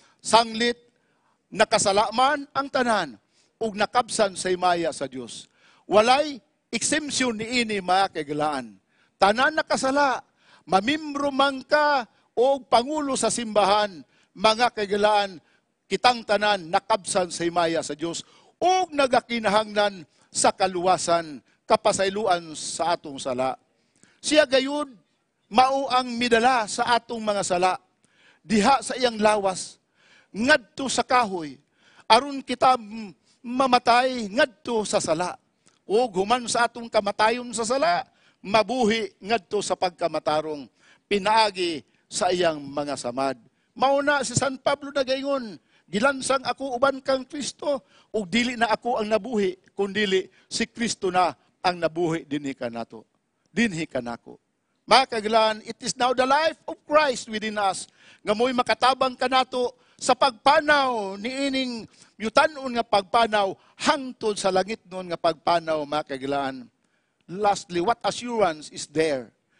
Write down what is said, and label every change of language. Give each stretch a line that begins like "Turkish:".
Cebuano: Sanglit, nakasalaman ang tanan. Ug nakabsan sa himaya sa Dios. Walay exemption ni ini mga kaigilaan. Tanan na kasala, mamimbro man ka og pangulo sa simbahan, mga kaigilaan, kitang tanan nakabsan sa himaya sa Dios ug nagakinahanglan sa kaluwasan, kapasayloan sa atong sala. Siya gayud mao ang midala sa atong mga sala diha sa iyang lawas ngadto sa kahoy aron kita mamatay ngadto sa sala. O guman sa atong kamatayon sa sala, mabuhi ngadto sa pagkamatarong, pinaagi sa iyang mga samad. Mauna si San Pablo nagaingon, "Gilansang ako uban kang Kristo, o dili na ako ang nabuhi, kundili si Kristo na ang nabuhi dinhi kanato. Dinhi kanako." Mga kaigilaan,
English: it is now the life of Christ within us.
Cebuano: Ngamoy makatabang kanato sa pagpanaw ni ining mutanon nga pagpanaw hangtod sa langit noon nga pagpanaw, mga kaigilaan.
English: Lastly, what assurance is there?